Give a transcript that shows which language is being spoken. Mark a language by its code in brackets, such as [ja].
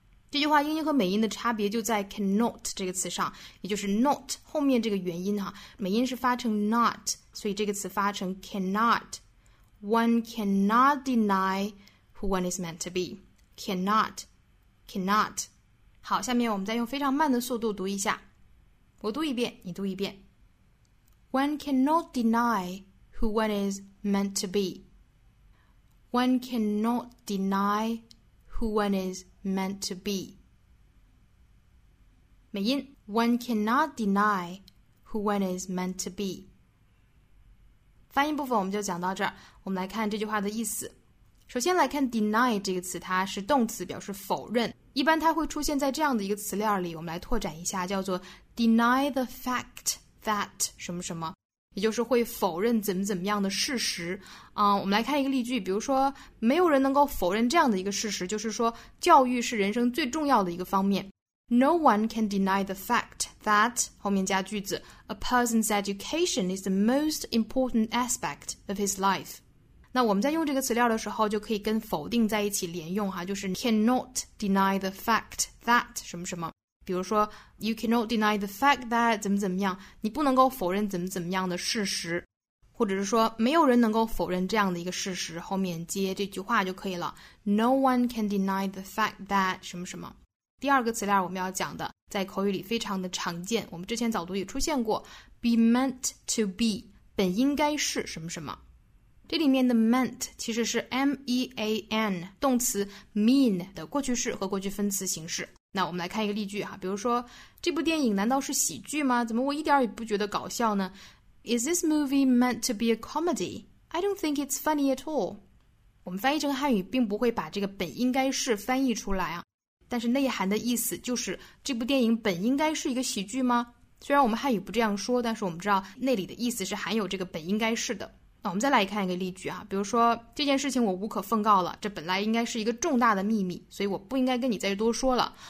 [zh] 这句话英音和美音的差别就在 cannot 这个词上，也就是 not 后面这个元音哈，美音是发成 not， 所以这个词发成 cannot. [en] One cannot deny who one is meant to be. Cannot. [zh] 好，下面我们再用非常慢的速度读一下。我读一遍，你读一遍。 [en] One cannot deny. Who one is meant to be. One cannot deny who one is meant to be. 美音 One cannot deny who one is meant to be. [zh] 发音部分我们就讲到这儿，我们来看这句话的意思。首先来看 deny 这个词，它是动词，表示否认，一般它会出现在这样的一个词链里，我们来拓展一下，叫做 [en] deny the fact that [zh] 什么什么，也就是会否认怎么怎么样的事实啊。我们来看一个例句，比如说没有人能够否认这样的一个事实，就是说教育是人生最重要的一个方面。 [en] No one can deny the fact that [zh] 后面加句子 [en] A person's education is the most important aspect of his life。 [zh] 那我们在用这个词料的时候就可以跟否定在一起连用哈，就是 [en] cannot deny the fact that [zh] 什么什么，比如说 [en] You cannot deny the fact that [zh] 怎么怎么样，你不能够否认怎么怎么样的事实，或者是说没有人能够否认这样的一个事实，后面接这句话就可以了。 [en] No one can deny the fact that [zh] 什么什么。第二个词链我们要讲的在口语里非常的常见，我们之前早读也出现过 [en] be meant to be， [zh] 本应该是什么什么。这里面的 meant 其实是 M-E-A-N 动词 mean 的过去式和过去分词形式。那我们来看一个例句哈，比如说这部电影难道是喜剧吗？怎么我一点也不觉得搞笑呢？ [en] Is this movie meant to be a comedy? I don't think it's funny at all. [zh] 我们翻译成汉语并不会把这个本应该是翻译出来啊，但是内涵的意思就是这部电影本应该是一个喜剧吗？虽然我们汉语不这样说，但是我们知道那里的意思是含有这个本应该是的。那我们再来看一个例句啊，比如说这件事情我无可奉告了，这本来应该是一个重大的秘密，所以我不应该跟你再多说了。